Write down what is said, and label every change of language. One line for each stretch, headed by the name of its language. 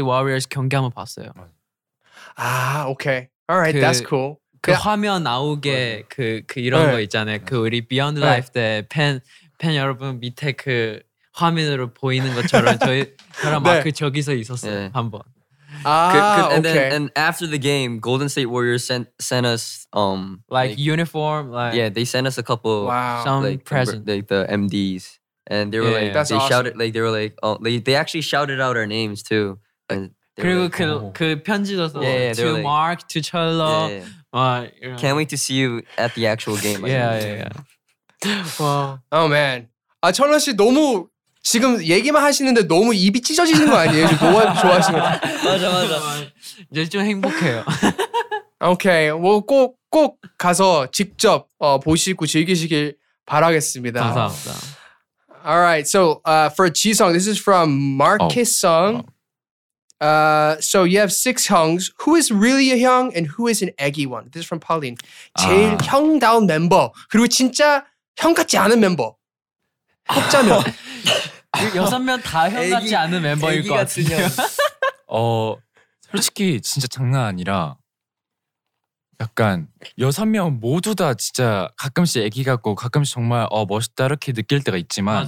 Korean: 워리어스 경기 한번 봤어요.
English: 아, 오케이. Alright, that's cool.
Korean: 그 화면 나오게 그 이런 거 있잖아요. 그 우리 비욘드 라이프 때 팬 여러분 밑에 그 화면으로 보이는 것처럼 저랑 마크 저기서 있었어요. 한번.
English: 오케이. And after the game, Golden State Warriors sent us uniform. Like, yeah, they sent us a couple present, like the MDs. And they were like, they awesome. Shouted, like they were like, they actually shouted out our names too. And
Korean: 그리고 like, 그 편지도 써
English: to like,
Korean: Mark, to Chello.
English: Can't wait to see you at the actual game. Yeah. Wow. Oh man.
Korean: 아 천러 씨 너무 지금 얘기만 하시는데 너무 입이 찢어지는 거 아니에요? 뭐가 좋아하시는 거? 맞아. 이제 좀 행복해요.
English: Okay.
Korean: 뭐 꼭 가서 직접 보시고 즐기시길 바라겠습니다. 감사합니다.
English: All right, so for Jisung, this is from Marcus Sung. So you have 6 hyungs. Who is really a hyung and who is an eggy one? This is from Pauline.
Korean: 제일 형다운 멤버. 그리고 진짜 형 같지 않은 멤버. 없자면. 6명 다 형 같지 않은 멤버일 것 같은데요. 솔직히 진짜 장난 아니라 약간 여섯 명 모두 다 진짜 가끔씩 애기 같고 가끔씩 정말 멋있다 이렇게 느낄 때가 있지만